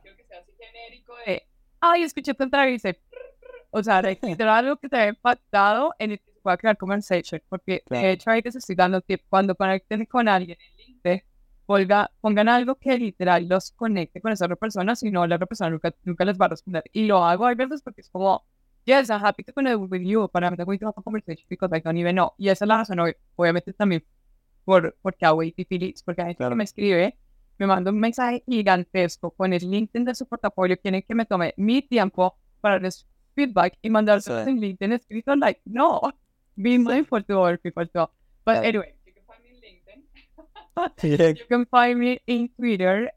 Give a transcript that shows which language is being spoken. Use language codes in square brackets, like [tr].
[es] quiero que sea así genérico de, ay, escuché tu entrevista. O sea, de, literal algo que te haya impactado en el que se pueda crear conversation, porque de Claro. hecho ahí te estoy dando tip, cuando conectes con alguien en LinkedIn, pongan algo que literal los conecte con esa otra persona, si no, la otra persona nunca les va a responder. Y lo hago a veces porque es como, [en] yes, I'm happy to connect with you, but I'm not going to have a conversation because I don't even know. [es] Y esa es la razón, obviamente, también porque hago ADP leads, porque hay gente que me Claro. escribe, me manda un mensaje gigantesco con el LinkedIn de su portafolio, quieren que me tome mi tiempo para darles feedback y Sí. mandárselos en LinkedIn escrito, like, no, be Sí. [en] mindful to other people too. But [es] Claro. [en] anyway, you can find me in LinkedIn. You can find me in Twitter.